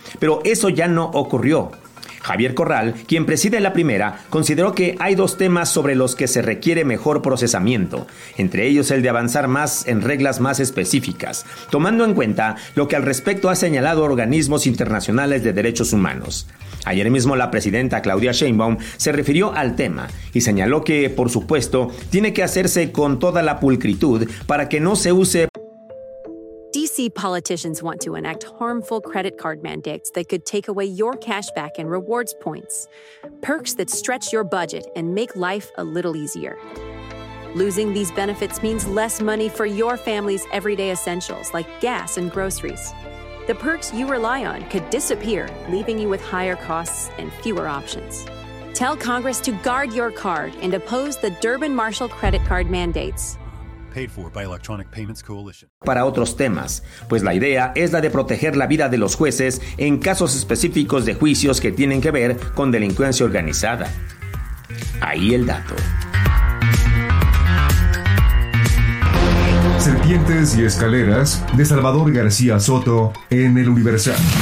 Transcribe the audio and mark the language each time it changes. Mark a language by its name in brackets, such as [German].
[Spanish] Pero eso ya no ocurrió. Javier Corral, quien preside la primera, consideró que hay dos temas sobre los que se requiere mejor procesamiento, entre ellos el de avanzar más en reglas más específicas, tomando en cuenta lo que al respecto ha señalado organismos internacionales de derechos humanos. Ayer mismo la presidenta Claudia Sheinbaum se refirió al tema y señaló que, por supuesto, tiene que hacerse con toda la pulcritud para que no se use. [English] DC politicians want to enact harmful credit card mandates that could take away your cash back and rewards points. Perks that stretch your budget and make life a little easier. Losing these benefits means less money for your family's everyday essentials like gas and groceries. the perks you rely on could disappear, leaving you with higher costs and fewer options. Tell Congress to guard your card and oppose the Durbin-Marshall credit card mandates. Paid for by Electronic Payments Coalition. [Spanish] Para otros temas, pues la idea es la de proteger la vida de los jueces en casos específicos de juicios que tienen que ver con delincuencia organizada. Ahí el dato. Serpientes y escaleras, de Salvador García Soto, en El Universal.